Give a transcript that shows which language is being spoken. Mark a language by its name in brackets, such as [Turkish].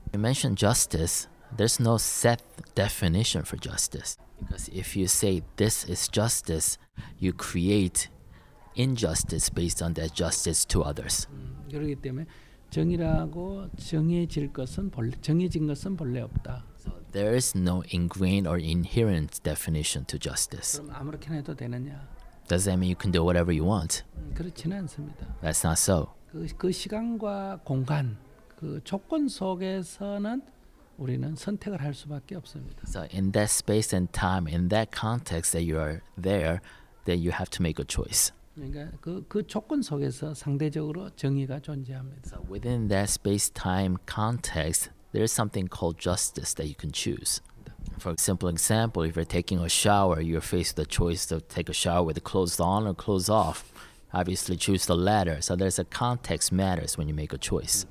[English] You mentioned justice. There's no set definition for justice. Because if you say this is justice, you create injustice based on that justice to others. [Korean] 그렇기 때문에 정의라고 정해질 것은 본래 정해진 것은 본래 없다. [English] So there is no ingrained or inherent definition to justice. [Korean] 그럼 아무렇게나 해도 되느냐? [English] Does that mean you can do whatever you want? [Korean] 그렇지는 않습니다. [English] That's not so. [Korean] 그 시간과 공간, 그 조건 속에서는 우리는 선택을 할 수밖에 없습니다. [English] So in that space and time, in that context that you are there, then you have to make a choice. [Korean] 그러니까 그 조건 속에서 상대적으로 정의가 존재합니다. [English] So within that space-time context, there is something called justice that you can choose. For a simple example, if you're taking a shower, you're faced with the choice to take a shower with the clothes on or clothes off. Obviously, choose the latter. So there's a context matters when you make a choice.